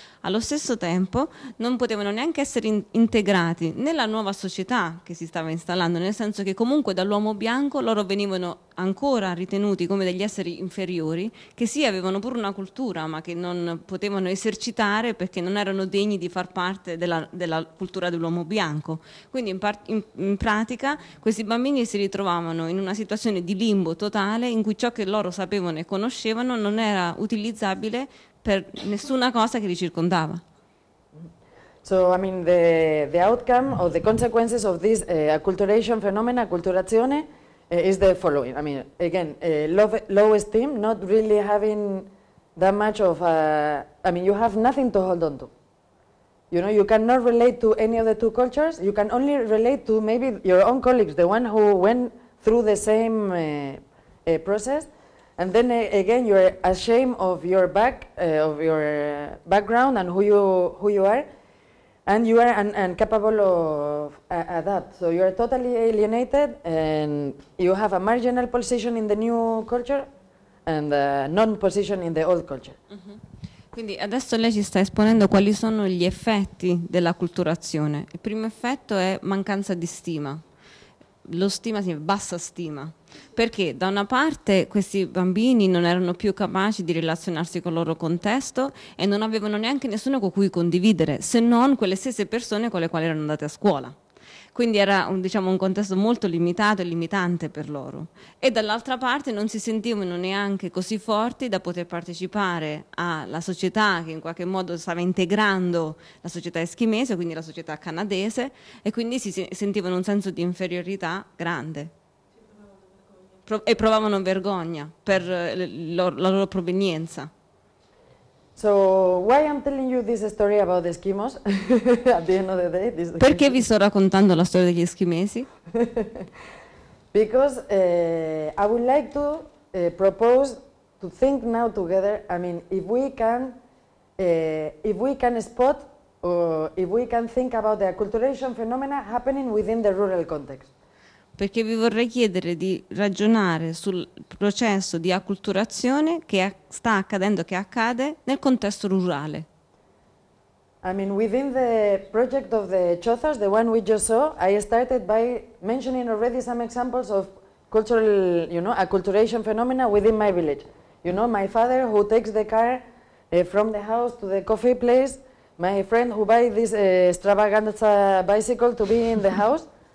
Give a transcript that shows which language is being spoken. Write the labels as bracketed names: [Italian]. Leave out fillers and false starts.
[Italian] Allo stesso tempo non potevano neanche essere integrati nella nuova società che si stava installando, nel senso che comunque dall'uomo bianco loro venivano ancora ritenuti come degli esseri inferiori, che sì, avevano pure una cultura, ma che non potevano esercitare perché non erano degni di far parte della cultura dell'uomo bianco. Quindi in pratica questi bambini si ritrovavano in una situazione di limbo totale, in cui ciò che loro sapevano e conoscevano non era utilizzabile per nessuna cosa che li circondava. [English] So, I mean, the outcome or the consequences of this acculturation phenomena, acculturazione, is the following. I mean, again, low esteem, not really having that much of a... I mean, you have nothing to hold on to. You know, you cannot relate to any of the two cultures. You can only relate to maybe your own colleagues, the one who went through the same process. And then again, you're ashamed of your back, of your background, and who you are, and you are incapable of adapt. So you are totally alienated, and you have a marginal position in the new culture, and a non-position in the old culture. Mm-hmm. [Italian] Quindi adesso lei ci sta esponendo quali sono gli effetti della culturazione. Il primo effetto è mancanza di stima. Lo stima significa bassa stima, perché da una parte questi bambini non erano più capaci di relazionarsi con il loro contesto e non avevano neanche nessuno con cui condividere, se non quelle stesse persone con le quali erano andate a scuola. quindi era un, diciamo, un contesto molto limitato e limitante per loro, e dall'altra parte non si sentivano neanche così forti da poter partecipare alla società che in qualche modo stava integrando la società eschimese, quindi la società canadese, e quindi si sentivano un senso di inferiorità grande e provavano vergogna per la loro provenienza. [English] So why I'm telling you this story about the Eskimos at the end of the day? This [Italian] perché vi sto raccontando la storia degli eschimesi? [English] Because I would like to propose to think now together. I mean, if we can spot or if we can think about the acculturation phenomena happening within the rural context. [Italian] Perché vi vorrei chiedere di ragionare sul processo di acculturazione che sta accadendo, che accade nel contesto rurale. [English] I mean, within the project of the Chothas, the one we just saw, I started by mentioning already some examples of cultural, you know, acculturation phenomena within my village. You know, my father who takes the car from the house to the coffee place, my friend who buys this extravaganza bicycle to be in the house.